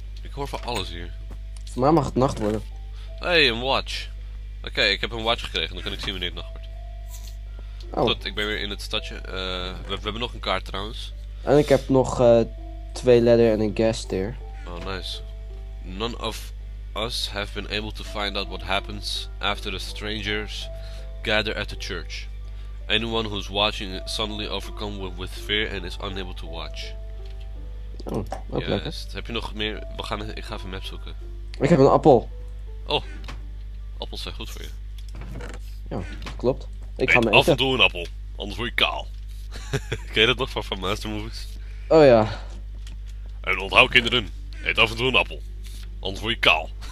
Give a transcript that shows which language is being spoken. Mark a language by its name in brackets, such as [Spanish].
[Dutch] Ik hoor van alles hier. Voor mij mag het nacht worden. Hey, een watch. Oké, ik heb een watch gekregen, dan kan ik zien wanneer het nacht wordt. Oh. Goed, ik ben weer in het stadje. We hebben nog een kaart trouwens. En ik heb nog 2 ladder en een gas stair. Oh, nice. [English] None of us have been able to find out what happens after the strangers gather at the church. Anyone who's watching is suddenly overcome with fear and is unable to watch. [Dutch] Oh, ook yes. Heb je nog meer? Ik ga even een map zoeken. Ik heb een appel. Oh, appels zijn goed voor je. Ja, klopt. Ik Eet ga af en toe een appel, anders word je kaal. Ken je dat nog van Master Movies? Oh ja. En onthoud kinderen, eet af en toe een appel, anders word je kaal.